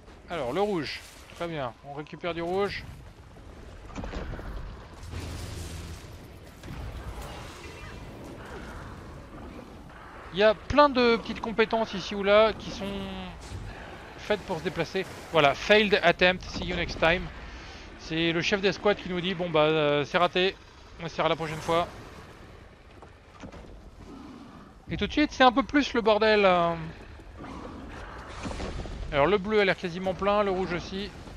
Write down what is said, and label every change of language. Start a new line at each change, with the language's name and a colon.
French: Alors, le rouge. Très bien, on récupère du rouge. Il y a plein de petites compétences ici ou là qui sont faites pour se déplacer.
English: Voilà, failed attempt, see you next time.
French: C'est le chef d'escouade qui nous dit, bon bah c'est raté, on essaiera la prochaine fois. Et tout de suite, c'est un peu plus le bordel. Alors le bleu a l'air quasiment plein, le rouge aussi.